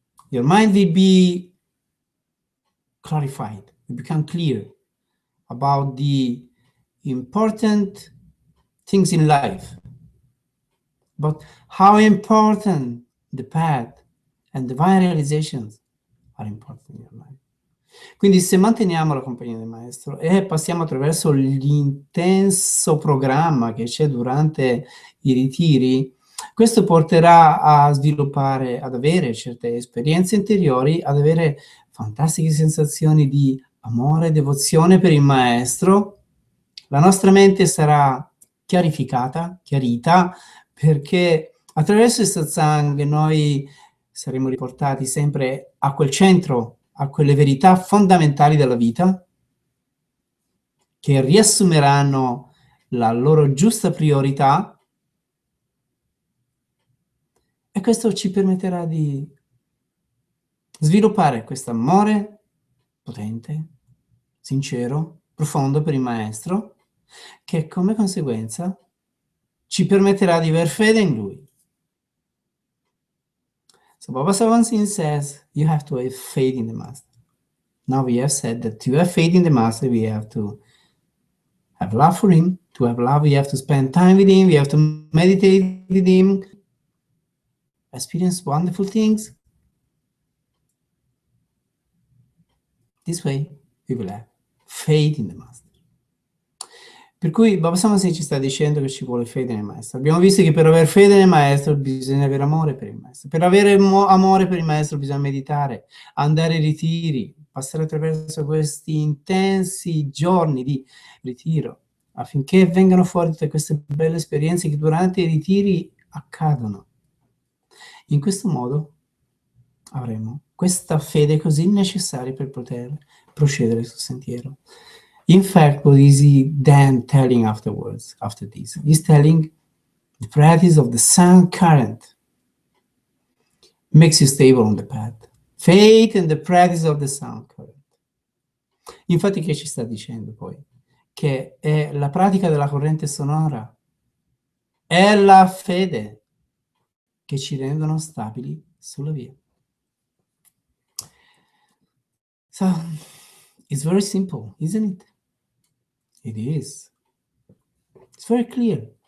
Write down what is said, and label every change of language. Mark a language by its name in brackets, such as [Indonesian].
[English] Your mind will be clarified, will become clear about the important things in life, but how important the path and divine realizations are important in your life. [Italian] Quindi se manteniamo la compagnia del maestro e passiamo attraverso l'intenso programma che c'è durante i ritiri, questo porterà a sviluppare, ad avere certe esperienze interiori, ad avere fantastiche sensazioni di amore e devozione per il maestro. La nostra mente sarà chiarita, perché attraverso il satsang noi saremo riportati sempre a quel centro, a quelle verità fondamentali della vita, che riassumeranno la loro giusta priorità, e questo ci permetterà di sviluppare quest'amore potente, sincero, profondo per il maestro, che come conseguenza ci permetterà di aver fede in lui. [English] So Baba Sawan Singh says, you have to have faith in the master. Now we have said that to have faith in the master, we have to have love for him. To have love, we have to spend time with him, we have to meditate with him, experience wonderful things. This way, we will have faith in the master. [Italian] Per cui Baba Sawan Singh ci sta dicendo che ci vuole fede nel maestro. Abbiamo visto che per avere fede nel maestro bisogna avere amore per il maestro. Per avere amore per il maestro bisogna meditare, andare ai ritiri, passare attraverso questi intensi giorni di ritiro, affinché vengano fuori tutte queste belle esperienze che durante i ritiri accadono. In questo modo avremo questa fede così necessaria per poter procedere sul sentiero. [English] In fact, what is he then telling afterwards, after this? He's telling the practice of the sun current makes you stable on the path. Faith and the practice of the sun current. [Italian] Infatti, che ci sta dicendo poi? Che è la pratica della corrente sonora, è la fede che ci rendono stabili sulla via. [English] So, it's very simple, isn't it? It is. It's very clear.